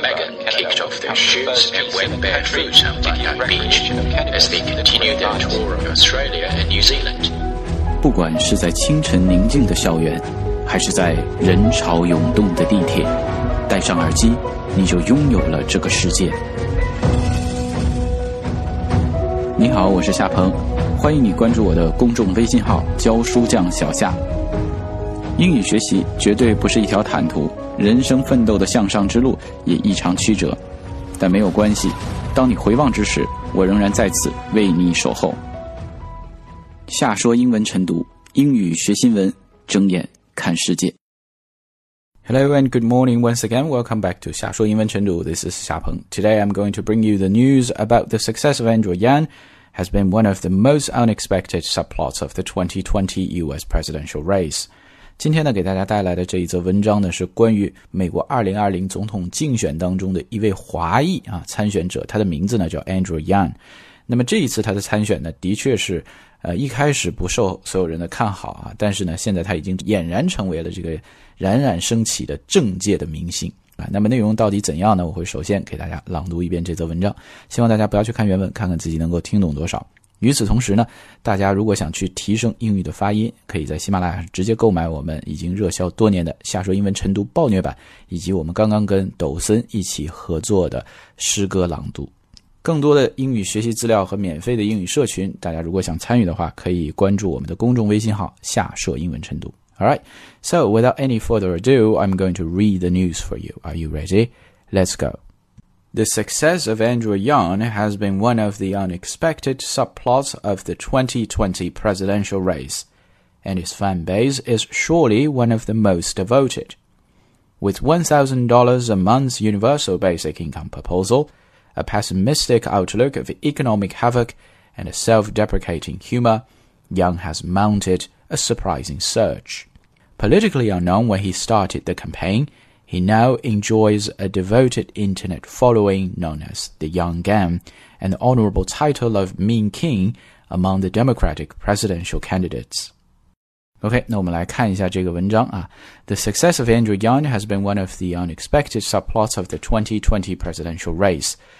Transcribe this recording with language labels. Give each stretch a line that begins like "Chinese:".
English: Megan kicked off their shoots and went barefoot on Bondi Beach as they continued their tour of Australia and New Zealand.
Chinese: 不管是在清晨宁静的校园，还是在人潮涌动的地铁，戴上耳机，你就拥有了这个世界。你好，我是夏鹏，欢迎你关注我的公众微信号教书匠小夏。英语学习绝对不是一条坦途，人生奋斗的向上之路也异常曲折，但没有关系，当你回望之时，我仍然在此为你守候。夏说英文晨读，英语学新闻，睁眼看世界。
English: Hello and good morning once again. Welcome back to 夏说英文晨读 This is 夏鹏 Today I'm going to bring you the news about the success of Andrew Yang has been one of the most unexpected subplots of the 2020 US presidential race.
Chinese: 今天呢给大家带来的这一则文章呢是关于美国2020总统竞选当中的一位华裔啊参选者他的名字呢叫 Andrew Yang。那么这一次他的参选呢的确是一开始不受所有人的看好啊，但是呢现在他已经俨然成为了这个冉冉升起的政界的明星啊。那么内容到底怎样呢，我会首先给大家朗读一遍这则文章，希望大家不要去看原文，看看自己能够听懂多少。与此同时呢，大家如果想去提升英语的发音，可以在喜马拉雅直接购买我们已经热销多年的夏说英文晨读暴虐版，以及我们刚刚跟抖森一起合作的诗歌朗读。更多的英语学习资料和免费的英语社群，大家如果想参与的话，可以关注我们的公众微信号夏说英文晨读。
English: Alright, so without any further ado, I'm going to read the news for you. Are you ready? Let's go. The success of Andrew Yang has been one of the unexpected subplots of the 2020 presidential race, and his fan base is surely one of the most devoted. With $1,000 a month universal basic income proposal,a pessimistic outlook of economic havoc, and a self-deprecating humor, Yang has mounted a surprising surge. Politically unknown when he started the campaign, he now enjoys a devoted internet following known as the Yang Gang, and the honorable title of Meme King among the Democratic presidential candidates.
Chinese: OK, 那我们来看一下这个文章啊。
English: The success of Andrew Yang has been one of the unexpected subplots of the 2020 presidential race.